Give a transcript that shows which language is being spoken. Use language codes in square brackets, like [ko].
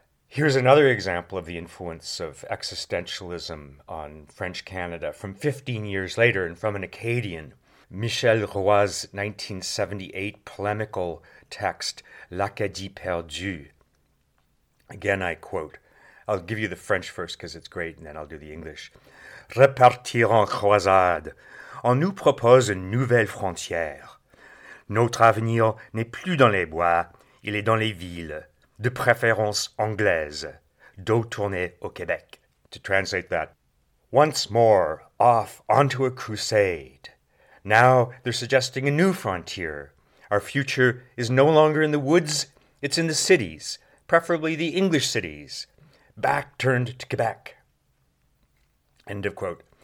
[en] Here's another example of the influence of existentialism on French Canada from 15 years later and from an Acadian, Michel Roy's 1978 polemical text, L'Acadie perdue. Again, I quote, I'll give you the French first because it's great, and then I'll do the English. [fr] Repartir en croisade. On nous propose une nouvelle frontière. Notre avenir n'est plus dans les bois, il est dans les villes. De préférence anglaise, dos tourné au Québec. [en] To translate that, once more, off onto a crusade. Now they're suggesting a new frontier. Our future is no longer in the woods, it's in the cities, preferably the English cities. Back turned to Quebec. End of quote.